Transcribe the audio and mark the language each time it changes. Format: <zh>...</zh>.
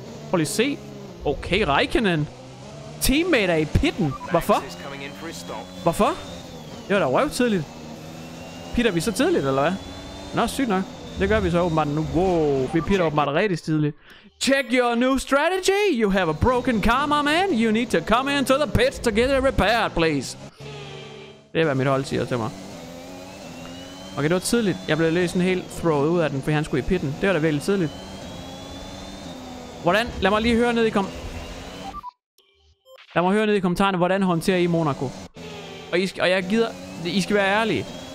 <da>Prøv lige at se. Okay, Räikkönen. Teammate er i pitten. Hvorfor? Hvorfor? Det var da røv tidligt. Pitter vi så tidligt, eller hvad? Nå, sygt nok. Det gør vi så åbenbart nu. Wow, vi pitter åbenbart rigtig tidligt.</da> <en>Check your new strategy. You have a broken car, my man. You need to come into the pits to get it repaired, please.</en> <da>Det er, hvad mit hold siger til mig. Okay, det var tidligt. Jeg blev lige sådan helt throwet ud af den, for han skulle i pitten. Det var da virkelig tidligt. Hvordan? Lad mig høre ned i kommentarerne, hvordan håndterer I Monaco? Og jeg gider... I skal være ærlige.</da>